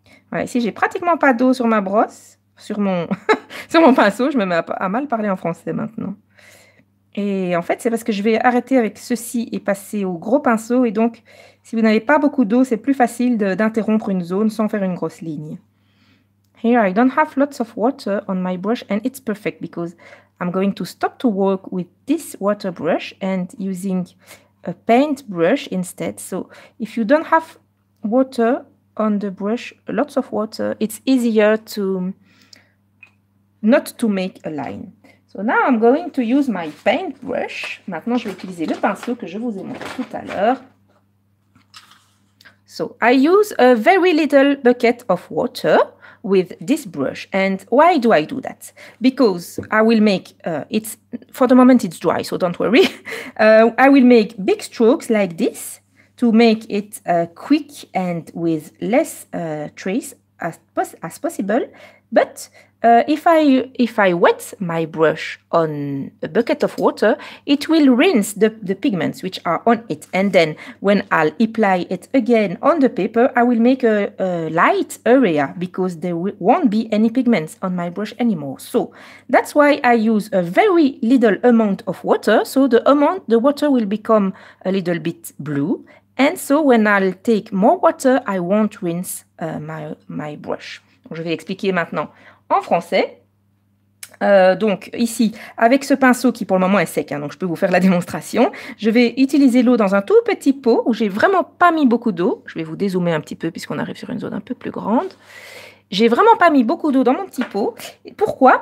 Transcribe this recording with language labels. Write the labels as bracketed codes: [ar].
[fr] Voilà, ici, j'ai pratiquement pas d'eau sur ma brosse, sur mon, sur mon pinceau. Je me mets à mal parler en français maintenant. Et en fait, c'est parce que je vais arrêter avec ceci et passer au gros pinceau. Et donc, si vous n'avez pas beaucoup d'eau, c'est plus facile d'interrompre une zone sans faire une grosse ligne. [en] Here, I don't have lots of water on my brush and it's perfect because I'm going to stop to work with this water brush and using a paint brush instead. So if you don't have water on the brush, lots of water, it's easier to not to make a line. So now I'm going to use my paint brush. Maintenant, je vais utiliser le pinceau que je vous ai montré tout à l'heure. So I use a very little bucket of water with this brush. And why do I do that? Because I will make, it's for the moment it's dry, so don't worry. I will make big strokes like this to make it quick and with less trace as possible. But if I wet my brush on a bucket of water, it will rinse the pigments which are on it. And then when I'll apply it again on the paper, I will make a light area because there won't be any pigments on my brush anymore. So that's why I use a very little amount of water. So the water will become a little bit blue. And so when I'll take more water, I won't rinse my brush. [fr] Je vais expliquer maintenant en français. Donc ici, avec ce pinceau qui pour le moment est sec, hein, donc je peux vous faire la démonstration, je vais utiliser l'eau dans un tout petit pot où j'ai vraiment pas mis beaucoup d'eau. Je vais vous dézoomer un petit peu puisqu'on arrive sur une zone un peu plus grande. J'ai vraiment pas mis beaucoup d'eau dans mon petit pot. Pourquoi ?